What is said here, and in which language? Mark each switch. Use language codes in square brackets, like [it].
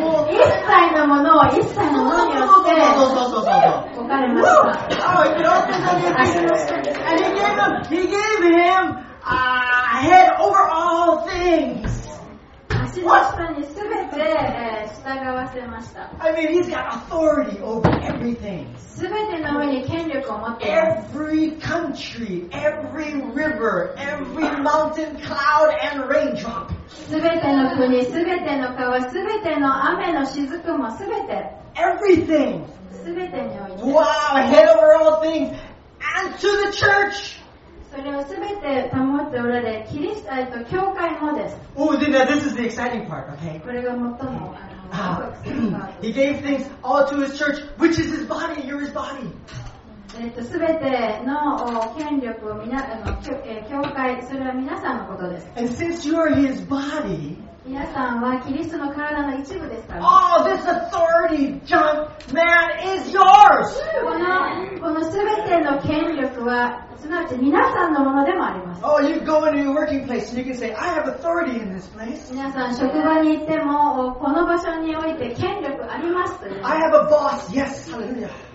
[ja] 一切のものを一切のものによって置かれました。 [en] Oh, it opens on your feet. And he gave him a head over all things. [ja] 足の下にすべて従わせました。 [en] I mean, he's got authority over everything. [ja] すべての上に権力を持っています。 [en] Every country, every river, every mountain, cloud, and raindrop. [ja] すべての国、すべての川、すべての雨のしずくもすべて。 [en] Everything。 [ja] すべてにおいて。 [en] Wow! Head over all things and to the church。 [ja] それをすべて保っておられ、キリストと教会もです。 [en] Oh, then this is the exciting part, okay? [ja] これが最も。 [en] He gave things all to his church, which is his body. You're his body. [ja] すべての権力を教会、それは皆さんのことです。 [en] And since you are his body, [ja] 皆さんはキリストの体の一部ですから。 [en] Oh, this authority, junk man, is yours! [ja] このすべての権力は、すなわち皆さんのものでもあります。 [en] Oh, you go into your working place and you can say, I have authority in this place. [ja] 皆さん、職場に行っても、この場所において権力あります。 [en] I have a boss, yes, hallelujah.